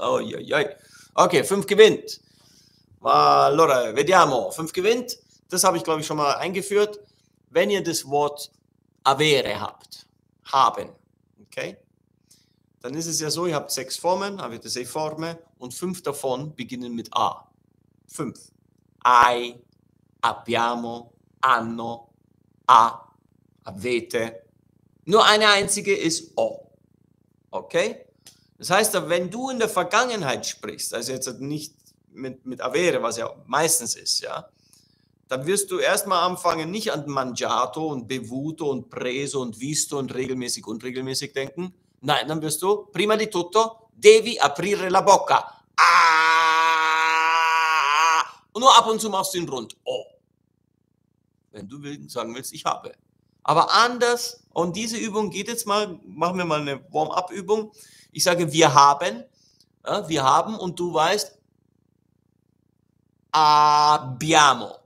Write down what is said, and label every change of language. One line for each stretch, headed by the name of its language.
German: Oh, ja, ja. Okay, fünf gewinnt.
Italian: Allora, vediamo.
German: Fünf gewinnt. Das habe ich, glaube ich, schon mal eingeführt. Wenn ihr das Wort avere habt, haben, okay, dann ist es ja so, ihr habt sechs Formen,
Italian: avete sei forme,
German: und fünf davon beginnen mit A. Fünf.
Italian: Ai, abbiamo, hanno, a, avete.
German: Nur eine einzige ist O, okay? Das heißt, wenn du in der Vergangenheit sprichst, also jetzt nicht mit avere, was ja meistens ist, ja, dann wirst du erstmal anfangen, nicht an mangiato und bevuto und preso und visto und regelmäßig und unregelmäßig denken. Nein, dann wirst du,
Italian: prima di tutto, devi aprire la bocca. Ah!
German: Und nur ab und zu machst du ihn rund. Oh. Wenn du sagen willst, ich habe. Aber anders, und diese Übung geht jetzt mal, machen wir mal eine Warm-up-Übung. Ich sage, wir haben, ja, wir haben, und du weißt, abbiamo.